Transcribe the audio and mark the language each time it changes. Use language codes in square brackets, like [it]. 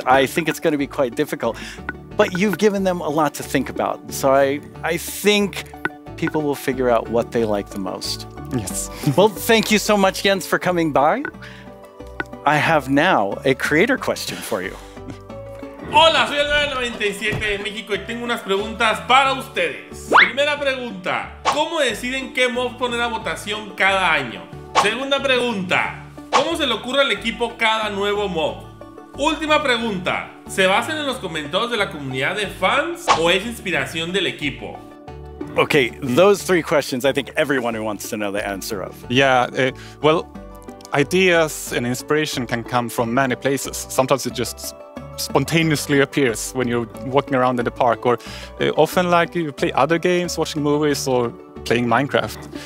[en] I think it's going to be quite difficult, but you've given them a lot to think about. So I think people will figure out what they like the most. Yes. Well, thank you so much, Jens, for coming by. I have now a creator question for you. [es] Hola, soy el 97 de México y tengo unas preguntas para ustedes. Primera pregunta, ¿cómo deciden qué mob poner a votación cada año? Segunda pregunta, ¿cómo se le ocurre al equipo cada nuevo mob? Última pregunta, ¿se basan en los comentarios de la comunidad de fans o es inspiración del equipo? [en] Okay, those three questions I think everyone who wants to know the answer of. Yeah, well, ideas and inspiration can come from many places. Sometimes it just spontaneously appears when you're walking around in the park, or often like you play other games, watching movies, or playing Minecraft.